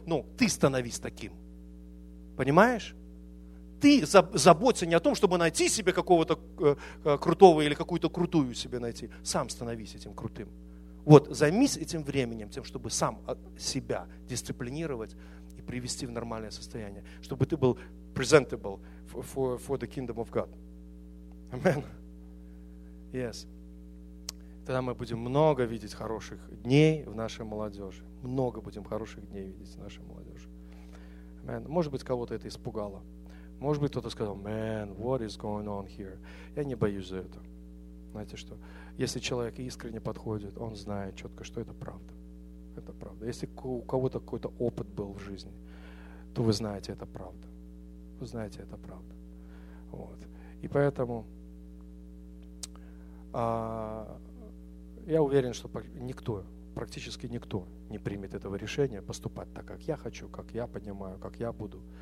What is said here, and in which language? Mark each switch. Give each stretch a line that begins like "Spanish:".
Russian: Но ты становись таким. Понимаешь? Ты заботься не о том, чтобы найти себе какого-то крутого или какую-то крутую себе найти. Сам становись этим крутым. Вот, займись этим временем, тем, чтобы сам себя дисциплинировать и привести в нормальное состояние. Чтобы ты был
English: presentable for the kingdom of God. Amen. Yes.
Russian: Тогда мы будем много видеть хороших дней в нашей молодежи. Много будем хороших дней видеть в нашей молодежи.
English: Amen.
Russian: Может быть, кого-то это испугало. Может быть, кто-то сказал,
English: man, what is going on here?
Russian: Я не боюсь за это. Знаете что? Если человек искренне подходит, он знает четко, что это правда. Это правда. Если у кого-то какой-то опыт был в жизни, то вы знаете, это правда. Вы знаете, это правда. Вот. И поэтому я уверен, что никто, практически никто не примет этого решения поступать так, как я хочу, как я понимаю, как я буду.